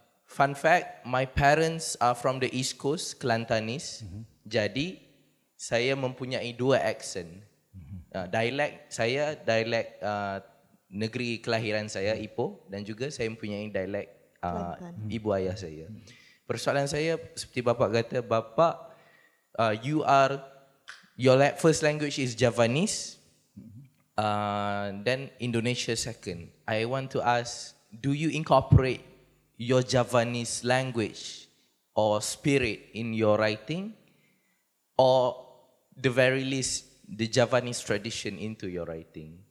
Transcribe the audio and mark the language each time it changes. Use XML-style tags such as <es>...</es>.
<en>Fun fact, my parents are from the East Coast, Kelantanese.</en> <ms>Jadi, saya mempunyai dua accent. Dialect saya, dialect negeri kelahiran saya, Ipoh. Dan juga saya mempunyai dialect ibu ayah saya. Persoalan saya, seperti Bapak kata, Bapak,</ms> <en>you are... Your first language is Javanese, then Indonesia second. I want to ask, do you incorporate your Javanese language or spirit in your writing, or the very least, the Javanese tradition into your writing?</en>